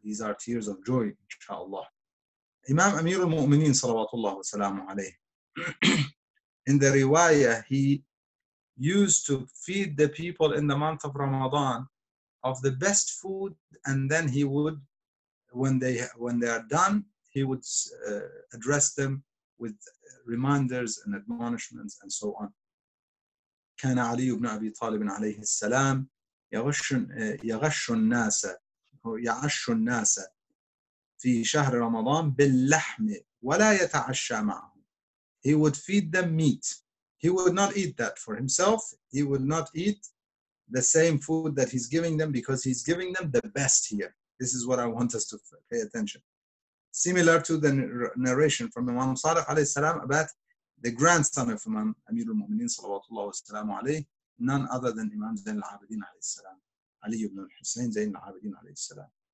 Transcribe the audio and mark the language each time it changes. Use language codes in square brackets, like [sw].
[en] These are tears of joy, inshallah. Imam Amir al-Mu'mineen, salawatullahu salamu alayhi, in the riwayah, he used to feed the people in the month of Ramadan of the best food, and then he would, when they are done, he would address them with reminders and admonishments and so on. [ar] كان علي بن أبي طالب عليه السلام يغش الناس يعش الناس في شهر رمضان باللحم ولا يتعشى معهم. [en] He would feed them meat. He would not eat that for himself. He would not eat the same food that he's giving them, because he's giving them the best here. This is what I want us to pay attention. Similar to the narration from Imam Sadiq alayhi salam about the grandson of Imam Amir al-Mu'mineen salawatullahi wa salamu alayhi, none other than Imam Zain al-Abidin alayhi salam, Ali ibn al-Husayn Zain al-Abidin alayhi salam.